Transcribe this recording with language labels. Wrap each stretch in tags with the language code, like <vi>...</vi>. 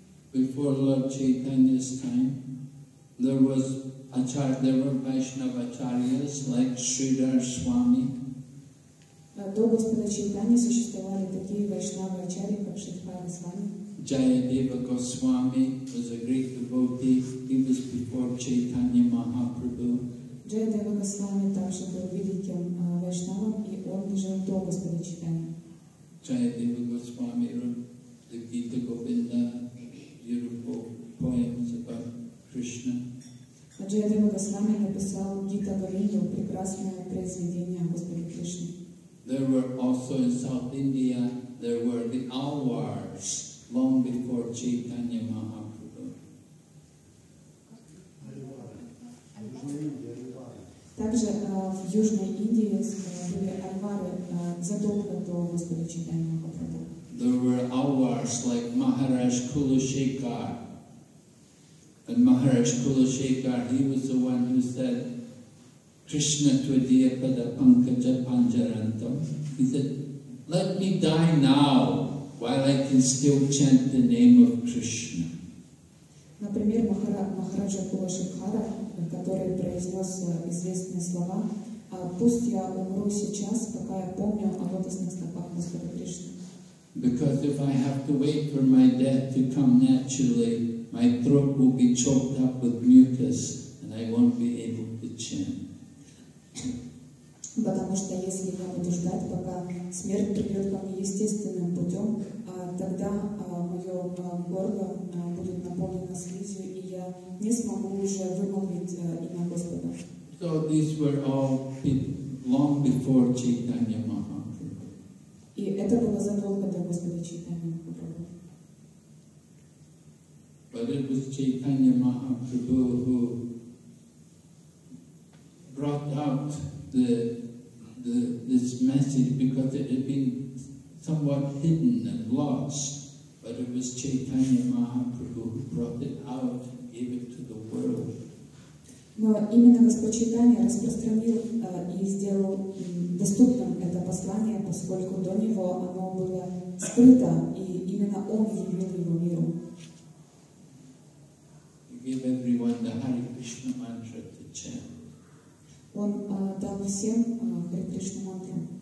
<en>Chaitanya's time, there were Vaishnava Acharyas like Sridhar Swami.</en> <ru>До Господа Чайтаньи существовали такие Вайшнава Ачарьи, как Шридхара Свами.</ru> <en>Jayadeva Goswami was a great devotee. He was before Chaitanya Mahaprabhu.</en> <ru>Jayadeva Goswami также был великим Вайшнавом, и он жил до Господа Чайтаньи.</ru> <en>Jayadeva Goswami wrote the Gita Govinda, beautiful poems about Krishna.</en> <ru>Jayadeva Goswami написал Гита Говинду, прекрасное произведение о Господе Кришне.</ru> <en>There were also in South India, there were the Alwars long before Chaitanya Mahaprabhu.</en> <ru>Также в Южной Индии были Альвары задолго до Господа Чайтаньи Махапрабху.</ru> <en>There were Alwars like Maharaj Kulashekar. And Maharaj Kulashekar, he was the one who said,</en> <sa>Krishna Twadiya Pada Pankaja Panjaranto.</sa> <en>He said, let me die now while I can still chant the name of Krishna.</en> <ru>Например, Махараджа Кулашекхара, который произнес известные слова, пусть я умру сейчас, пока я помню о лотосных стопах Господа Кришны.</ru> <en>Because if I have to wait for my death to come naturally, my throat will be choked up with mucus and I won't be able to chant.</en> <ru>Потому что если я буду ждать, пока смерть придет ко мне естественным путем, тогда мое горло будет наполнено слизью, и я не смогу уже вымолвить имя Господа.</ru> <en>So these were all long before Chaitanya Mahaprabhu.</en> <ru>И это было задолго до Господа Чайтаньи Махапрабху.</ru> <en>But it was Chaitanya Mahaprabhu who brought out this message, because it had been somewhat hidden and lost, but it was Chaitanya Mahaprabhu who brought it out and gave it to the world.</en> <ru>Но именно Господь Чайтанья распространил и сделал доступным это послание, поскольку до него оно было скрыто, и именно Он явил его миру.</ru> <en>He gave everyone the Hare Krishna mantra to chant.</en> <ru>Он дал всем Хари Кришну мантру.</ru>